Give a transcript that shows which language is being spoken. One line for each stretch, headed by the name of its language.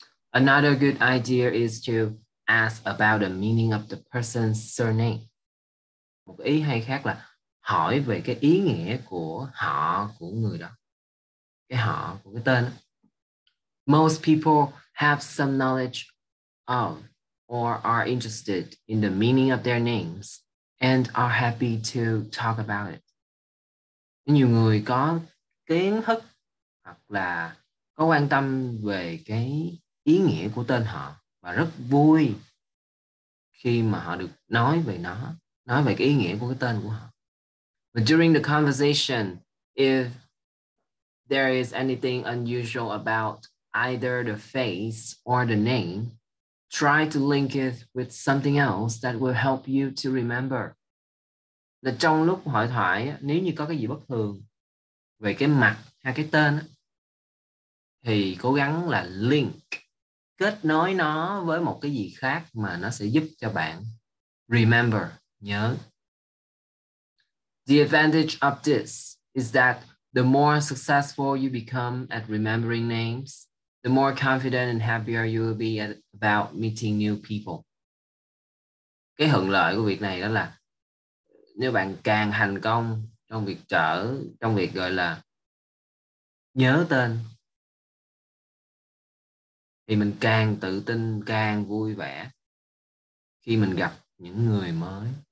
English: Another good idea is to ask about the meaning of the person's surname.
Vietnamese: Một ý hay khác là hỏi về cái ý nghĩa của họ của người đó. Cái họ của cái tên.
English: Most people have some knowledge of or are interested in the meaning of their names and are happy to talk about it.
Vietnamese: Nhiều người có kiến thức hoặc là có quan tâm về cái ý nghĩa của tên họ và rất vui khi mà họ được nói về nó, nói về cái ý nghĩa của cái tên của họ.
English: But during the conversation, if there is anything unusual about either the face or the name, try to link it with something else that will help you to remember.
Vietnamese: Là trong lúc hội thoại, nếu như có cái gì bất thường về cái mặt hay cái tên, thì cố gắng là link, kết nối nó với một cái gì khác mà nó sẽ giúp cho bạn remember, nhớ.
English: The advantage of this is that the more successful you become at remembering names, the more confident and happier you will be about meeting new people.
Vietnamese: Cái hưởng lợi của việc này đó là nếu bạn càng thành công trong việc trở, trong việc gọi là nhớ tên, thì mình càng tự tin, càng vui vẻ khi mình gặp những người mới.